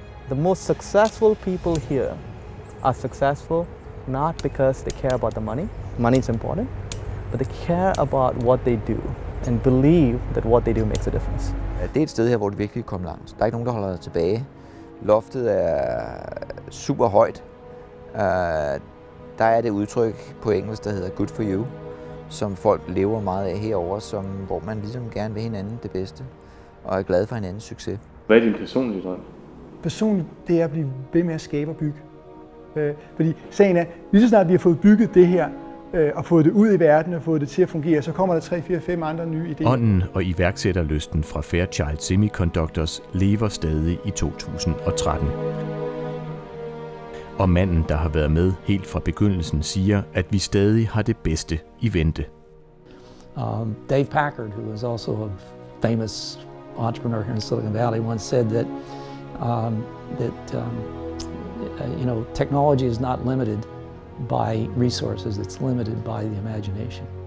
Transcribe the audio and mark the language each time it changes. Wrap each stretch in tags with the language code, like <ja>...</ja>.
<en>The most successful people here are successful not because they care about the money. Money is important, but they care about what they do and believe that what they do makes a difference.</en> <da>Ja, det er et sted her, hvor det virkelig kommer langt. Der er ikke nogen, der holder dig tilbage. Loftet er super højt. Der er det udtryk på engelsk, der hedder</da> <en>good for you,</en> <da>som folk lever meget af herovre, som, hvor man ligesom gerne vil hinanden det bedste og er glad for hinandens succes. Hvad er din personlige drøm? Personligt, det er at blive ved med at skabe og bygge. Fordi sagen er, lige så snart vi har fået bygget det her, og fået det ud i verden og fået det til at fungere, så kommer der 3, 4, 5 andre nye idéer. Ånden og iværksætterlysten fra Fairchild Semiconductors lever stadig i 2013. Og manden, der har været med helt fra begyndelsen, siger, at vi stadig har det bedste i vente.</da> <en>Dave Packard, who is also a famous entrepreneur here in Silicon Valley, once said that you know, technology is not limited by resources, it's limited by the imagination.</en>